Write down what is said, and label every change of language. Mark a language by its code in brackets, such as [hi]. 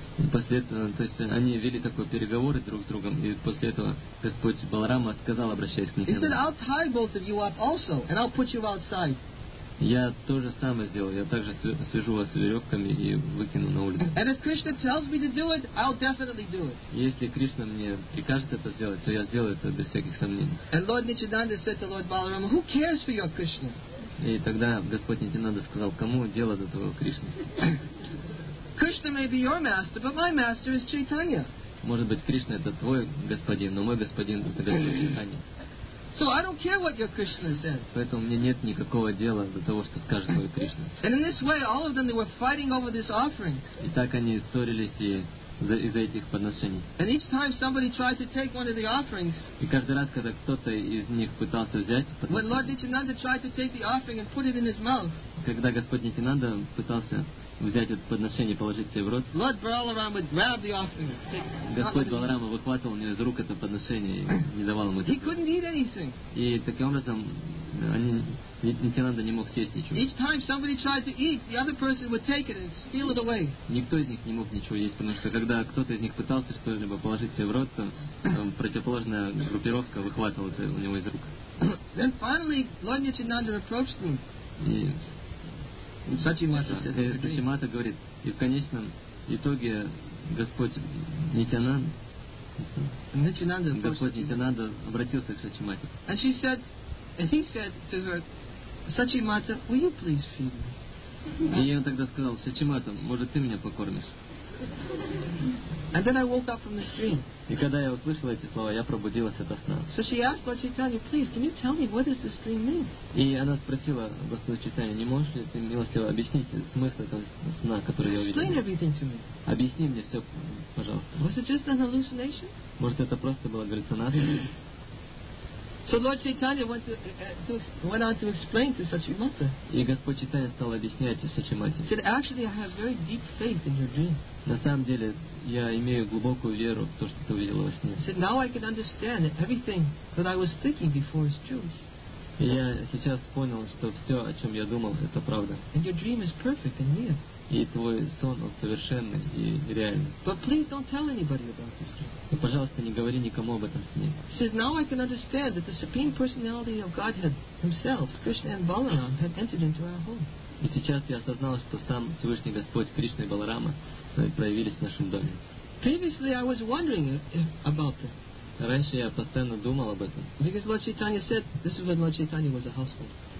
[ru] После этого, то есть они вели такой переговоры друг с другом, и после этого Господь Баларама сказал, обращаясь к ним. [en] He said, I'll tie both of you up also, and I'll put you outside. [ru] Я то же самое сделаю, я также свяжу вас веревками и выкину на улицу. [en] And if Krishna tells me to do it, I'll definitely do it. [ru] Если Кришна мне прикажет это сделать, то я сделаю это без всяких сомнений. [en] And Lord Nityananda said to Lord Balarama, who cares for your Krishna? [ru] И тогда Господь Нитянанда сказал, кому дело до твоего Кришны? [en] Krishna may be your master, but my master is Chaitanya. [ru] Может быть, Кришна это твой господин, но мой господин это Господь Чайтанья. [en] So I don't care what your Krishna says. [ru] Поэтому мне нет никакого дела до того, что скажет мой Кришна. [en] And in this way, all of them they were fighting over this offering. [ru] И так они ссорились из-за этих подношений. [en] And each time somebody tried to take one of the offerings. [ru] И каждый раз, когда кто-то из них пытался взять подношение. [en] When Lord Nityananda tried to take the offering and put it in his mouth. [ru] Когда Господь Нитянанда пытался взять это подношение и положить себе в рот. [en] Lord Balarama would grab the offering. [ru] Господь Баларама выхватывал у него из рук это подношение и не давал ему. [en] He couldn't eat anything. [ru] И таким образом Нитянанда не мог съесть ничего. [en] Each time somebody tried to eat, the other person would take it and steal it away. [ru] Никто из них не мог ничего есть, потому что когда кто-то из них пытался что-либо положить себе в рот, то противоположная группировка выхватывала это у него из рук. [en] Then finally, Lord Nityananda approached him. [ru] Сачимата говорит, и в конечном итоге Господь Нитянанда обратился к Сачимате. [en] And she said, and he said to her, Сачимата, will you please feed me? [ru] И он тогда сказал, Сачимата, может ты меня покормишь? [en] And then I woke up from this dream. [ru] И когда я услышал эти слова, я пробудилась ото сна. [en] So she asked Lord Chaitanya, please, can you tell me what does this dream mean? [ru] И она спросила Господа Чайтанью, не можешь ли ты милостиво объяснить смысл этого сна, который я увидел? [en] Explain everything to me. [ru] Объясни мне все, пожалуйста. [en] Was it just an hallucination? [ru] Может это просто была галлюцинация? [en] So Lord Chaitanya went on to explain to Сачимата. [ru] И Господь Чайтанья стал объяснять Сачимате. [en] He said, actually, I have very deep faith in your dream. [ru] На самом деле, я имею глубокую веру в то, что ты увидела во сне. [en] He said, now I can understand that everything that I was thinking before is true. [ru] И я сейчас понял, что все, о чем я думал, это правда. [en] And your dream is perfect and real. [ru] И твой сон, он совершенный и реальный. [en] But please don't tell anybody about this dream. [ru] И, пожалуйста, не говори никому об этом сне. [en] He says, now I can understand that the Supreme Personality of Godhead himself, Krishna and Balaram, have entered into our home. [ru] И сейчас я осознал, что сам Всевышний Господь Кришна и Баларама проявились в нашем доме. [en] Previously I was wondering about that. [ru] Раньше я постоянно думал об этом. [en] Because Lord Chaitanya said, this is when Lord Chaitanya was a household.